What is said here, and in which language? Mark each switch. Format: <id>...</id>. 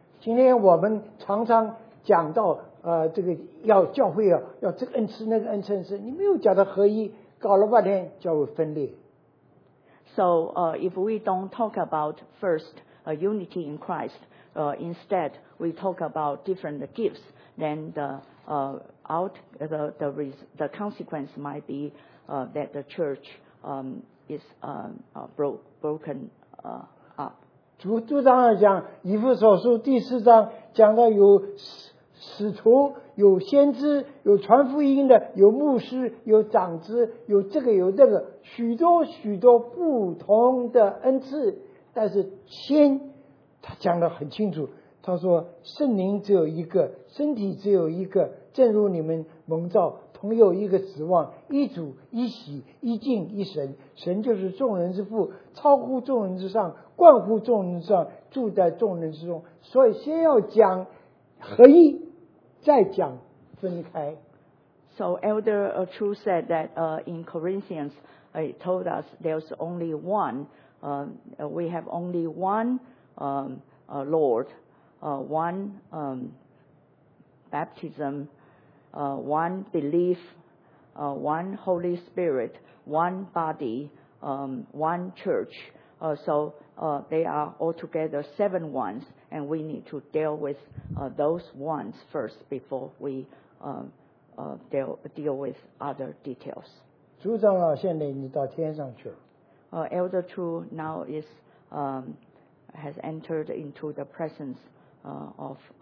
<zh>今天我们常常讲到这个要教会啊，要这个恩赐那个恩赐，你没有讲到合一，搞了半天教会分裂。</zh> <en>So if we don't talk about first unity in Christ, instead we talk about different gifts, then the consequence might be that the church is broken up.</en> <zh>主章上讲, 以弗所书第四章讲到有 使徒, 有先知, 有传福音的, 有牧师, 有长子, 有这个有那个, 许多许多不同的恩赐, 但是先, 他讲得很清楚, 他说, 圣灵只有一个, 身体只有一个, 正如你们蒙召, 同有一个指望, 一主, 一喜, 一敬, 一神, 神就是众人之父, 超乎众人之上, 冠乎众人之上, 住在众人之中, 所以先要讲合一, 再讲分开.</zh> <en>So Elder Chu said that in Corinthians, it told us there's only one. We have only one Lord, one baptism, one belief, one Holy Spirit, one body, one church. So they are altogether seven ones. And we need to deal with those ones first before we deal with other details.</en> <zh>主长老, 现在你到天上去了。</zh> <en>Elder Chu now is has entered into the presence of</en>